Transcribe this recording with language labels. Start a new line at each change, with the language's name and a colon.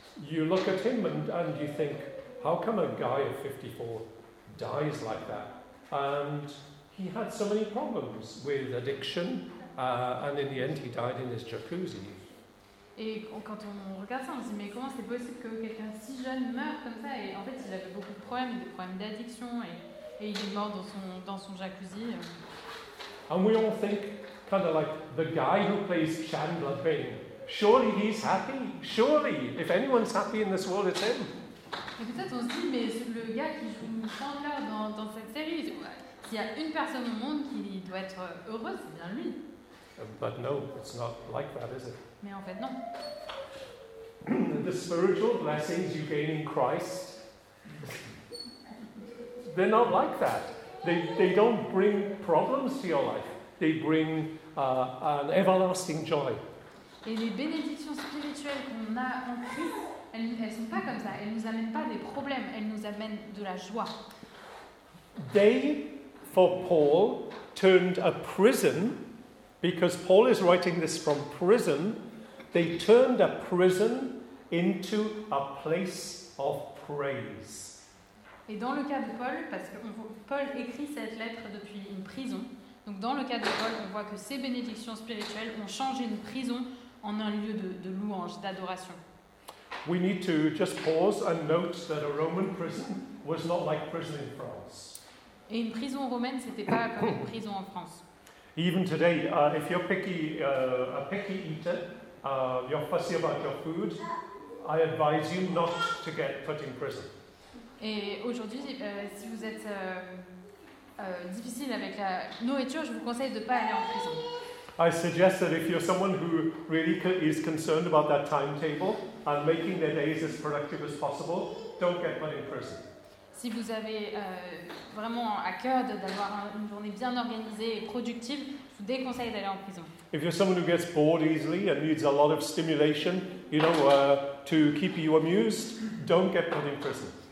English: You look at him and you think, how come a guy of 54 dies like that? And he had so many problems with addiction, and in the end he died in his jacuzzi.
French: Et quand on regarde ça, on se dit, mais comment c'est possible que quelqu'un si jeune meure comme ça? Et en fait, il avait beaucoup de problèmes, des problèmes d'addiction, et il est mort dans son jacuzzi.
English: And we all think, kind of like, the guy who plays Chandler Bing, surely he's happy, surely, if anyone's happy in this world, it's him.
French: Et peut-être on se dit, mais le gars qui joue Chandler dans cette série, s'il y a une personne au monde qui doit être heureuse, c'est bien lui.
English: But no, it's not like that, is it?
French: Mais en fait, non.
English: The spiritual blessings you gain in Christ. they're not like that. They don't bring problems to your life. They bring an everlasting joy.
French: Et les bénédictions spirituelles qu'on a en Christ, elles sont pas comme ça. Elles nous amènent pas des problèmes. Elles nous amènent de la joie.
English: They, for Paul, turned a prison, because Paul is writing this from prison. They turned a prison into a place of praise.
French: Et dans le cas de Paul, parce que Paul écrit cette lettre depuis une prison, donc dans le cas de Paul, on voit que ces bénédictions spirituelles ont changé une prison en un lieu de louange, d'adoration.
English: We need to just pause and note that a Roman prison was not like prison in France.
French: Et une prison romaine, c'était pas comme une prison en France.
English: Even today, if you're a picky eater, you're fussy about your food, I advise you not to get put in prison.
French: Et aujourd'hui, si vous êtes difficile avec la nourriture, je vous conseille de ne pas aller en prison.
English: I suggest that if you're someone who really is concerned about that timetable and making their days as productive as possible, don't get put in prison.
French: Si vous avez vraiment à cœur d'avoir une journée bien organisée et productive, je vous déconseille d'aller en prison.
English: If you're someone who gets bored easily and needs a lot of stimulation, you know, to keep you amused, don't get put in prison.